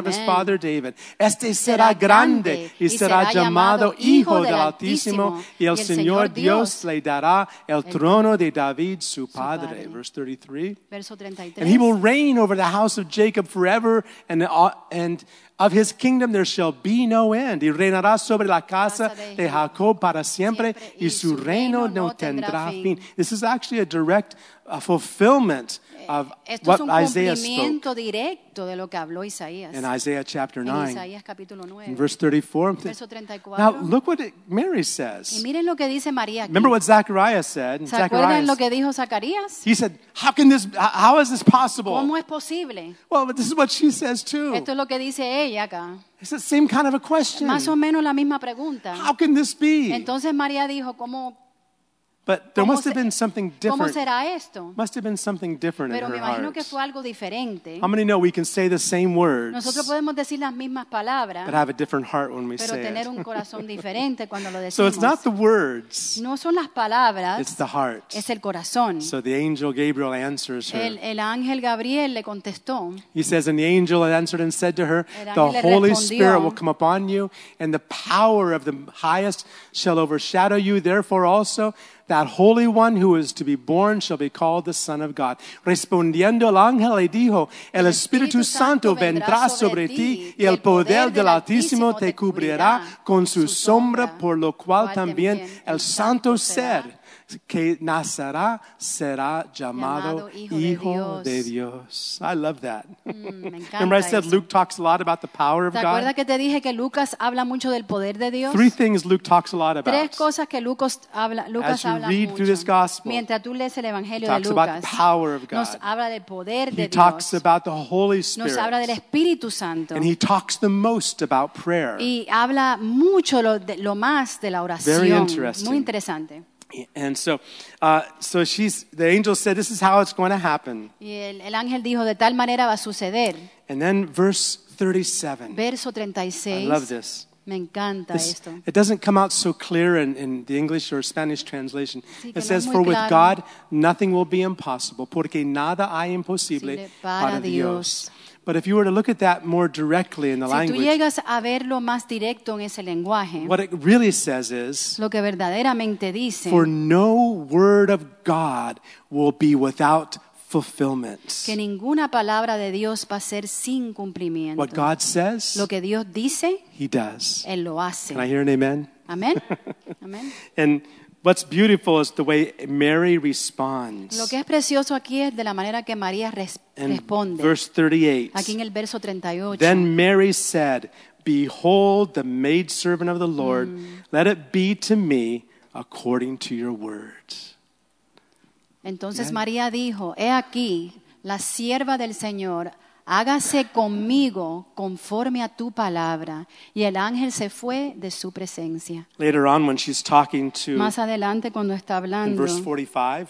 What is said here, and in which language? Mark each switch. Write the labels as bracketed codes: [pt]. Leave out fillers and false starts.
[en] Amen. Of his father David. [es] Este será grande y será llamado Hijo del Altísimo y el Señor Dios le dará el trono de David su padre. [en] Verse 33. [es] Verso 33. [en] And he will reign over the house of Jacob forever and of his kingdom there shall be no end. [es] Y reinará sobre la casa de Jacob para siempre, y su reino no tendrá fin. [en] This is actually a direct fulfillment of what Isaiah spoke. [es] Esto es un cumplimiento directo de lo que habló Isaías. [en] In Isaiah chapter 9. [es] En Isaías capítulo 9. [en] In verse 34. [es] Verso 34. [en] Now look what Mary says. [es] Y miren lo que dice María aquí. [en] Remember what Zacharias said. [es] ¿Se acuerdan lo que dijo Zacarías? [en] He said, how can this, how is this possible? [es] ¿Cómo es posible? [en] Well, but this is what she says too. [es] Esto es lo que dice ella acá. [en] It's the same kind of a question. [es] Más o menos la misma pregunta. [en] How can this be? [es] Entonces María dijo, ¿cómo? [en] But there must have been something different. [es] ¿Cómo será esto? [en] Must have been something different [es] pero [en] in her [es] me imagino [en] heart. [es] Que fue algo diferente. [en] How many know we can say the same words, [es] nosotros podemos decir las mismas palabras, [en] but have a different heart when we [es] pero [en] say [es] tener Un corazón diferente cuando lo decimos. [en] So it's not the words. [es] No son las palabras, [en] it's the heart. [es] Es el corazón. [en] So the angel Gabriel answers her. [es] El ángel Gabriel le contestó. [en] He says, and the angel answered and said to her, the Holy Spirit will come upon you, and the power of the highest shall overshadow you. Therefore also, that Holy One who is to be born shall be called the Son of God. [es] Respondiendo el ángel le dijo, el Espíritu Santo vendrá sobre ti y el poder del Altísimo te cubrirá con su sombra, por lo cual también el Santo Ser que nacerá será llamado Hijo de Dios. [en] I love that. Remember I said Luke talks a lot about the power of God? [es] ¿Te acuerdas que te dije que Lucas habla mucho del poder de Dios? [en] Three things Luke talks a lot about. [es] Tres cosas que Lucas habla mucho. [en] As you read through this gospel, [es] mientras tú lees el Evangelio de Lucas, [en] talks about the power of God. [es] Nos habla del poder de Dios. [en] He talks about the Holy Spirit. [es] Nos habla del Espíritu Santo. [en] And he talks the most about prayer. [es] Y habla mucho lo más de la oración. [en] Very interesting. [es] Muy interesante. [en] And so, the angel said, "This is how it's going to happen." [es] Y el ángel dijo, de tal manera va a suceder. [en] And then verse 37. I love this. [es] Me encanta [en] this, [es] esto. [en] It doesn't come out so clear in the English or Spanish translation. It says, "For with God nothing will be impossible, [es] porque nada hay imposible para Dios." [en] But if you were to look at that more directly in the language, [es] si tú llegas a verlo más directo en ese lenguaje, [en] what it really says is, [es] lo que verdaderamente dice, [en] for no word of God will be without fulfillment. [es] Que ninguna palabra de Dios va a ser sin cumplimiento. [en] What God says, [es] lo que Dios dice, [en] he does. [es] Él lo hace. [en] Can I hear an amen? Amen. Amen. And what's beautiful is the way Mary responds. [es] Lo que es precioso aquí es de la manera que María responde. [en] Verse 38. [es] Aquí en el verso 38. [en] Then Mary said, "Behold, the maidservant of the Lord. Let it be to me according to your word." [es] Entonces María dijo, "He aquí, la sierva del Señor. Hágase conmigo conforme a tu palabra." Y el ángel se fue de su presencia. [en] Later on, when she's talking to, [es] más adelante cuando está hablando, [en] in verse 45,